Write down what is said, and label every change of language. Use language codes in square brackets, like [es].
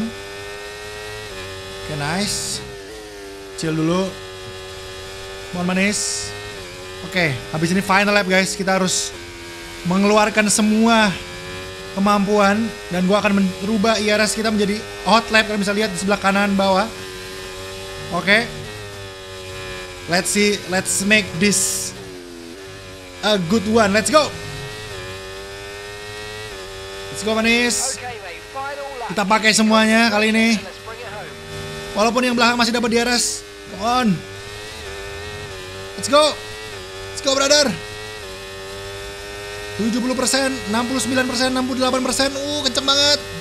[id] Oke, nice. Chill dulu. Mohon manis. Oke, habis ini final lap guys. Kita harus mengeluarkan semua kemampuan. Dan gua akan merubah IRS kita menjadi hot lap. Kalian bisa lihat di sebelah kanan bawah. Oke. [en] Let's see, let's make this a good one. Let's go. Let's go manis. [id] Kita pakai semuanya kali ini. Walaupun yang belakang masih dapat DRS. [en] Come on. Let's go. Let's go brother. [id] 70%, 69%, 68%. Kenceng banget.